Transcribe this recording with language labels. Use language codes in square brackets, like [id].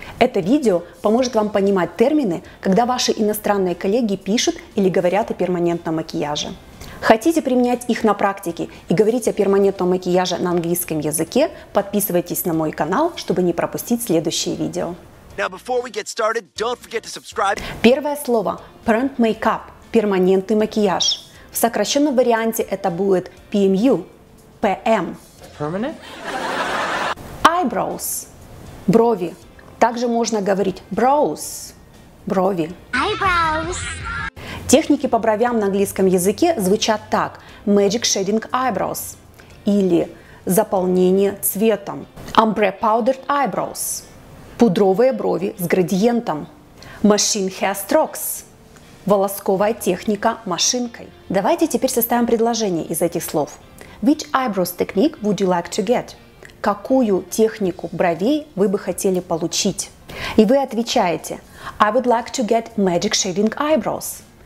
[ru] Это видео поможет вам понимать термины, когда ваши иностранные коллеги пишут или говорят о перманентном макияже. Хотите применять их на практике и говорить о перманентном макияже на английском языке? Подписывайтесь на мой канал, чтобы не пропустить следующее видео. [en] Now, before we get started, don't forget to subscribe. [ru] Первое слово – [en] permanent makeup [ru] – перманентный макияж. В сокращенном варианте это будет PMU – PM. [en] Permanent? Eyebrows – [ru] брови. Также можно говорить [en] brows [ru] – брови. [en] Eyebrows. [ru] Техники по бровям на английском языке звучат так – [en] magic shading eyebrows [ru] или заполнение цветом. [en] Ombre powdered eyebrows [ru] – пудровые брови с градиентом. [en] Machine hair strokes. [ru] Волосковая техника машинкой. Давайте теперь составим предложение из этих слов. [en] Which eyebrows technique would you like to get? [ru] Какую технику бровей вы бы хотели получить? И вы отвечаете. [en] I would like to get magic shading eyebrows.